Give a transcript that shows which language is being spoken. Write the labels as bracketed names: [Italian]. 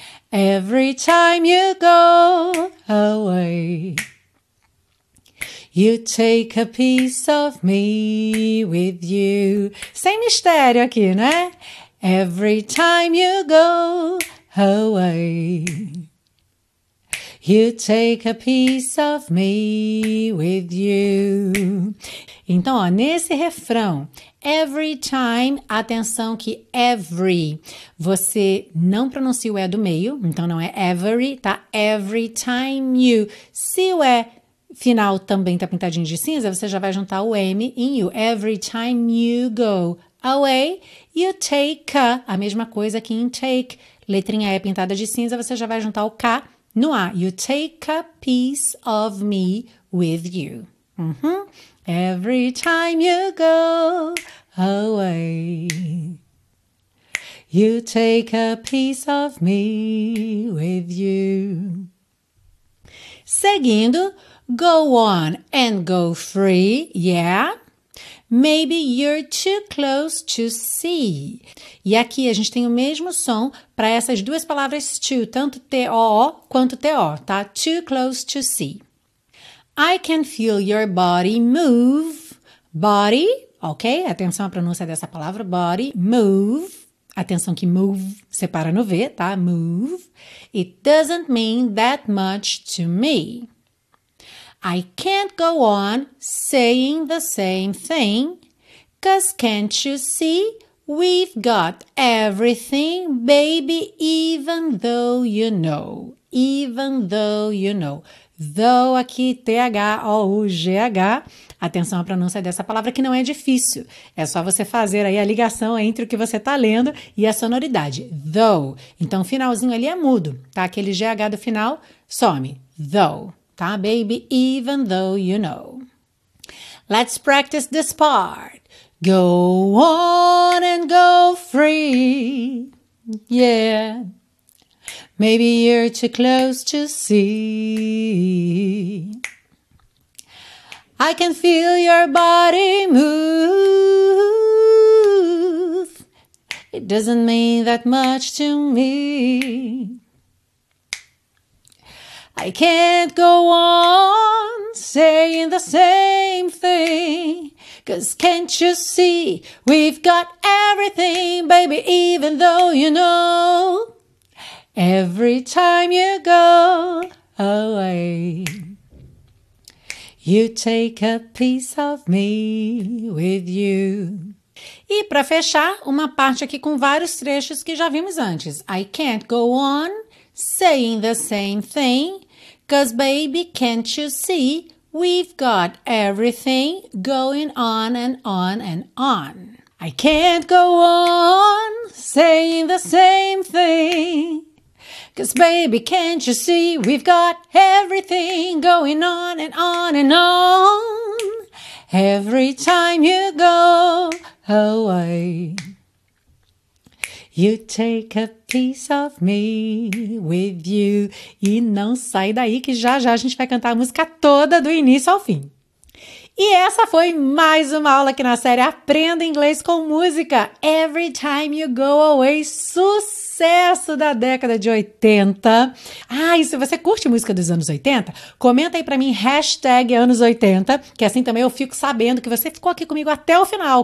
[English] Every time you go away, you take a piece of me with you. [Portuguese] Sem mistério aqui, né? [English] Every time you go away, you take a piece of me with you. [Portuguese] Então, ó, nesse refrão, [English] every time, [Portuguese] atenção que every, você não pronuncia o E do meio, então não é every, tá? [English] Every time you. [Portuguese] Se o E final também tá pintadinho de cinza, você já vai juntar o M em you. [English] Every time you go away, you take a [Portuguese] mesma coisa que [English] in take. [Portuguese] Letrinha E pintada de cinza, você já vai juntar o K no A. [English] You take a piece of me with you. Uhum. Every time you go away, you take a piece of me with you. Seguindo, go on and go free, yeah. Maybe you're too close to see. [Portuguese] E aqui a gente tem o mesmo som para essas duas palavras to, tanto T-O quanto T-O, tá? [English] Too close to see. I can feel your body move. Body, ok? [Portuguese] Atenção à pronúncia dessa palavra, body. Move, atenção que move separa no V, tá? [English] Move. It doesn't mean that much to me. I can't go on saying the same thing. 'Cause can't you see? We've got everything, baby, even though you know. Even though you know. [Portuguese] Though aqui, T-H-O-U-G-H, atenção à pronúncia dessa palavra que não é difícil. É só você fazer aí a ligação entre o que você está lendo e a sonoridade. Though. Então, o finalzinho ali é mudo, tá? Aquele GH do final some. Though, tá? [English] Baby, even though you know. Let's practice this part. Go on and go free. Yeah. Maybe you're too close to see. I can feel your body move. It doesn't mean that much to me. I can't go on saying the same thing. 'Cause can't you see? We've got everything, baby, even though you know. Every time you go away, you take a piece of me with you. [Portuguese] E para fechar, uma parte aqui com vários trechos que já vimos antes. [English] I can't go on saying the same thing, 'cause baby, can't you see? We've got everything going on and on and on. I can't go on saying the same thing. 'Cause baby, can't you see? We've got everything going on and on and on. Every time you go away, you take a piece of me with you. [Portuguese] E não sai daí que já já a gente vai cantar a música toda do início ao fim. E essa foi mais uma aula aqui na série Aprenda Inglês com Música. [English] Every time you go away, [Portuguese] sucesso! sucesso da década de 80. Ah, e se você curte música dos anos 80, comenta aí pra mim, hashtag anos 80, que assim também eu fico sabendo que você ficou aqui comigo até o final.